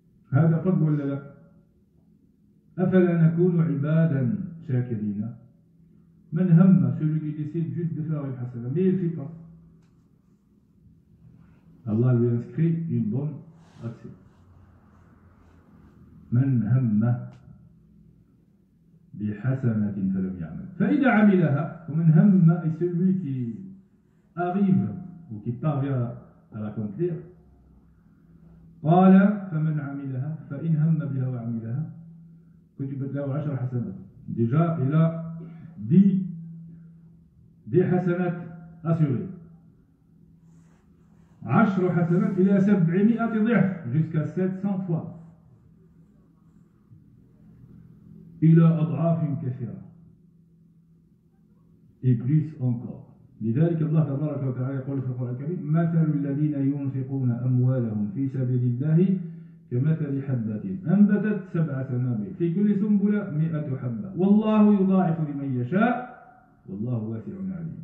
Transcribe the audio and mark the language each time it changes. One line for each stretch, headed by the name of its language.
Arabic: هذا قد ولا لا؟ افلا نكون عبادا شاكرين؟ من هم
French: celui qui décide juste de faire une hasana mais il ne fait pas, Allah lui inscrit une bonne action.
Arabic: من هم بحسنه فلم يعمل فاذا عملها. ومن هم
French: est celui qui arrive ou qui parvient à l'accomplir.
Arabic: قال فمن عملها فان هم بها وعملها كتبت له عشر حسنات.
French: Déjà il a dit des حسنات assurées.
Arabic: عشر حسنات الى 700 ضعف
French: jusqu'à 700 fois.
Arabic: الى اضعاف كثيره.
French: Et plus encore.
Arabic: لذلك الله تبارك وتعالى يقول في القرآن الكريم مثل الذين ينفقون أموالهم في سبيل الله كمثل حبة أنبتت سبع سنابل في كل سنبلة مئة حبة والله يضاعف لمن يشاء والله واسع عليم.